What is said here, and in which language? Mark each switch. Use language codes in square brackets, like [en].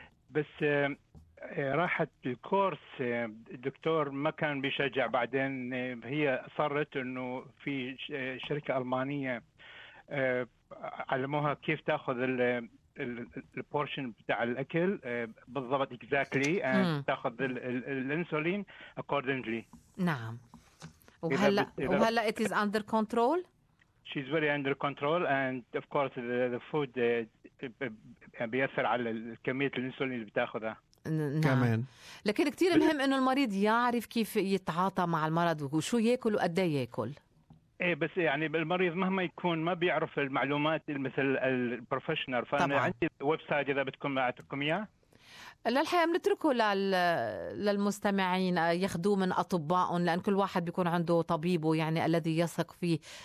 [ar] بس راحت الكورس الدكتور ما كان بيشجع بعدين هي صرت انه في شركة ألمانية علموها كيف تاخذ البورشن بتاع الاكل بالضبط اكزاكتلي تاخذ الانسولين اكوردنجلي. نعم. وهلا وهلا [en] it is under control. She's very under control and of course the food [ar] بيأثر على كمية الانسولين اللي بتاخذها. نعم. لكن كتير مهم انه المريض يعرف كيف يتعاطى مع المرض وشو ياكل وقد ايه ياكل. ايه بس يعني المريض مهما يكون ما بيعرف المعلومات مثل البروفيشنال. فانا طبعا. عندي ويب سايت اذا بدكم اعطيكم اياه. للحقيقة بنتركه للمستمعين ياخذوا من أطبائهم لأن كل واحد بيكون عنده طبيبه يعني الذي يثق فيه.